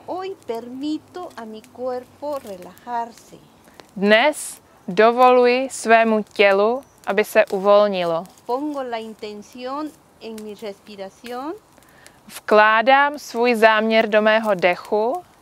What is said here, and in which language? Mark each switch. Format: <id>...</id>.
<es>Hoy permito a mi cuerpo relajarse.</es> <cs>Dnes dovoluji svému tělu, aby se uvolnilo.</cs> <es>Pongo la intención en mi respiración.</es> <cs>Vkládám svůj záměr do mého dechu.</cs>